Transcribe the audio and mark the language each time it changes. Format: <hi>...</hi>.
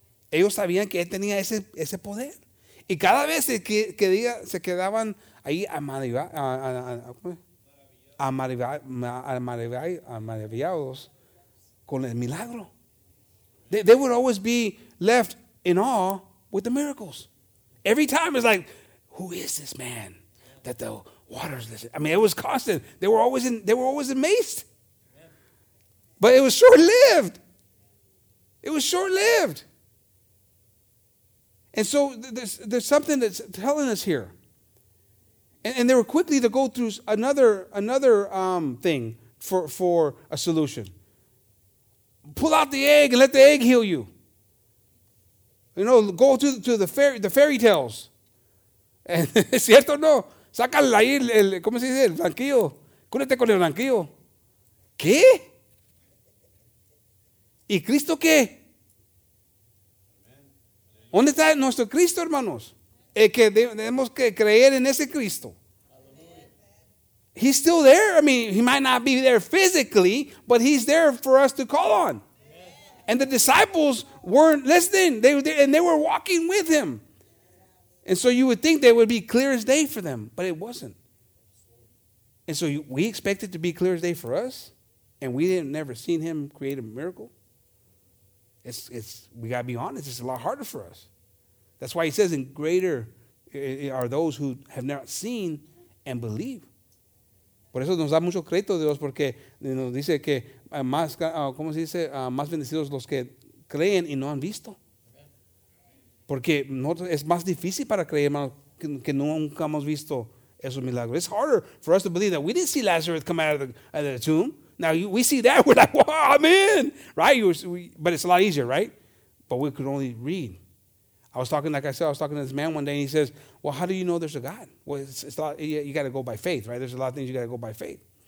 <es>Ellos sabían que él tenía ese poder. Y cada vez se quedaban ahí maravillados con el milagro.</es> <en>They would always be left in awe with the miracles. Every time it's like, who is this man that the waters listen? I mean, it was constant. They were always amazed. But it was short-lived. It was short-lived. And so there's something that's telling us here. And they were quickly to go through another thing for a solution. Pull out the egg and let the egg heal you. You know, go to the fairy tales.</en> <es>¿Es cierto o no? Sácala ahí, ¿cómo se dice? El blanquillo. Cúrate con el blanquillo. ¿Qué? ¿Y Cristo qué? ¿Dónde está nuestro Cristo, hermanos? Es que tenemos que creer en ese Cristo.</es> <en>He's still there. I mean, he might not be there physically, but he's there for us to call on. And the disciples weren't listening. They were walking with him. And so you would think that would be clear as day for them, but it wasn't. And so we expect it to be clear as day for us, and we didn't never seen him create a miracle. It's we got to be honest. It's a lot harder for us. That's why he says, "In greater are those who have not seen and believe."</en> <es>Por eso nos da mucho crédito Dios, porque nos dice que más, ¿cómo se dice? Más bendecidos los que creen y no han visto. Porque no, es más difícil para creer, hermano, que nunca hemos visto esos milagros.</es> <en>It's harder for us to believe that we didn't see Lazarus come out of the tomb. Now, we see that, we're like, wow, I'm in, right? But it's a lot easier, right? But we could only read. I was talking to this man one day, and he says, well, how do you know there's a God? Well, it's a lot, you got to go by faith, right? There's a lot of things you got to go by faith.</en>